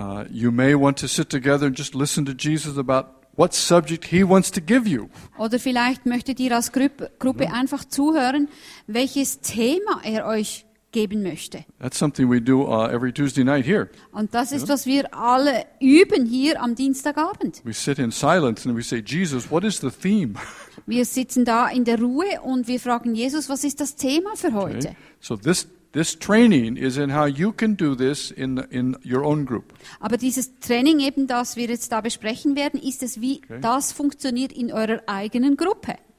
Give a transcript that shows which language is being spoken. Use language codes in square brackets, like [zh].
[en] You may want to sit together and just listen to Jesus about what subject he wants to give you. [de] Oder vielleicht möchtet ihr als Gruppe einfach zuhören, welches Thema er euch geben möchte. [en] That's something we do every Tuesday night here. [de] Und das ist, was wir alle üben hier am Dienstagabend. [en] We sit in silence and we say, Jesus, what is the theme? [de] Wir sitzen da in der Ruhe und wir fragen Jesus, was ist das Thema für heute? [en] Okay. So this training is in how you can do this in your own group. [de] Aber dieses Training eben, das wir jetzt da besprechen werden, ist es, wie das funktioniert in eurer eigenen Gruppe.